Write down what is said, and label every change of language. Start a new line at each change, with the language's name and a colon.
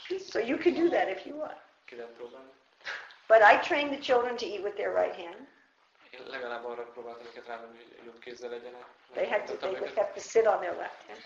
English: so you can do that if you want.
Hungarian: Kérem próbálni.
English: But I train the children to eat with their right hand.
Hungarian: Én legalább arra próbáltam őket rávenni, hogy jobb kézzel legyenek.
English: They would have to sit on their left hand.